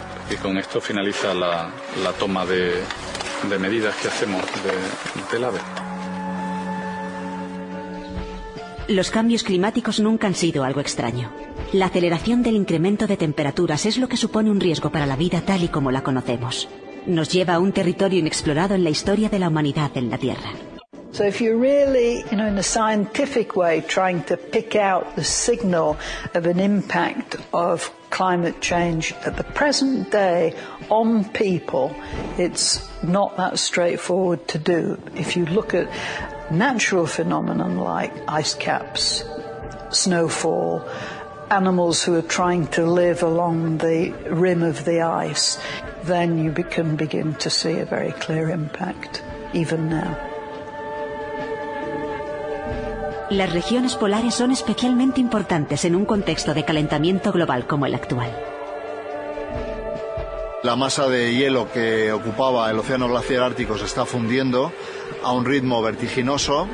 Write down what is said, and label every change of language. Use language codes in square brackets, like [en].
[es] Y con esto finaliza la toma de medidas que hacemos del ave. Los cambios climáticos nunca han sido algo extraño. La aceleración del incremento de temperaturas es lo que supone un riesgo para la vida tal y como la conocemos. Nos lleva a un territorio inexplorado en la historia de la humanidad en la Tierra. [en] So if you're really, you know, in a scientific way, trying to pick out the signal of an impact of climate change at the present day on people, it's not that straightforward to do. If you look at natural phenomena like ice caps, snowfall, animals who are trying to live along the rim of the ice, then you can begin to see a very clear impact, even now. [es] Las regiones polares son especialmente importantes en un contexto de calentamiento global como el actual. La masa de hielo que ocupaba el océano glaciar ártico se está fundiendo a un ritmo vertiginoso.